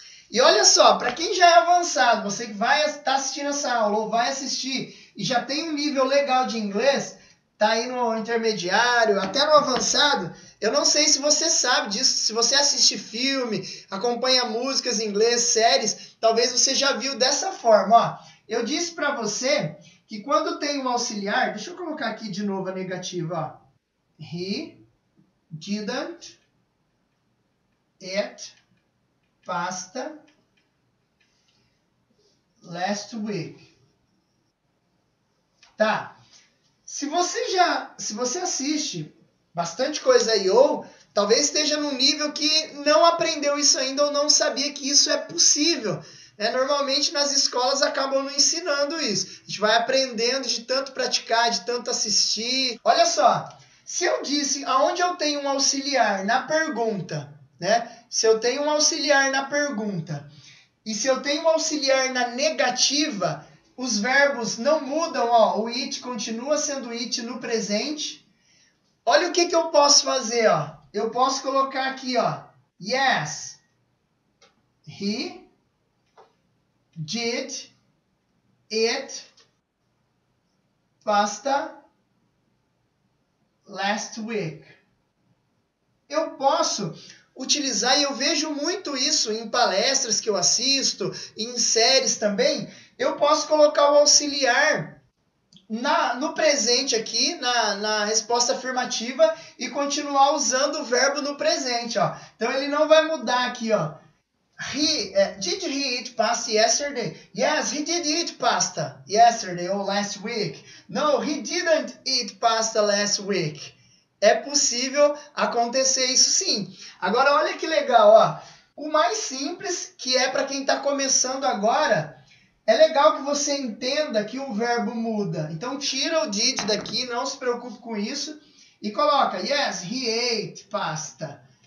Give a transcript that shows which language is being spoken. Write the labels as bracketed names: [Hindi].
[Portuguese] E olha só, para quem já é avançado, você que vai estar assistindo essa aula ou vai assistir e já tem um nível legal de inglês, tá aí no intermediário, até no avançado, eu não sei se você sabe disso, se você assiste filme, acompanha músicas em inglês, séries, talvez você já viu dessa forma, ó. Eu disse para você que quando tem um auxiliar, deixa eu colocar aqui de novo a negativa, ó. [English] He didn't eat pasta last week. [Portuguese] Tá, se você assiste bastante coisa aí, ou talvez esteja num nível que não aprendeu isso ainda ou não sabia que isso é possível, né? Normalmente nas escolas acabam não ensinando isso, a gente vai aprendendo de tanto praticar, de tanto assistir. Olha só, se eu disse aonde eu tenho um auxiliar na pergunta, né? Se eu tenho um auxiliar na pergunta e se eu tenho um auxiliar na negativa, os verbos não mudam, ó. O it continua sendo it no presente. Olha o que que eu posso fazer, ó. Eu posso colocar aqui, ó. [English] Yes, he did it pasta last week. [Portuguese] Eu posso utilizar, e eu vejo muito isso em palestras que eu assisto, em séries também, eu posso colocar o auxiliar no presente aqui, na resposta afirmativa, e continuar usando o verbo no presente, ó. Então ele não vai mudar aqui, ó. [English] Did he eat pasta yesterday? Yes, he did eat pasta yesterday or last week. No, he didn't eat pasta last week. [Portuguese] É possível acontecer isso sim. Agora, olha que legal, ó. O mais simples, que é para quem está começando agora, é legal que você entenda que o verbo muda. Então, tira o did daqui, não se preocupe com isso, e coloca, [English] yes, he ate pasta.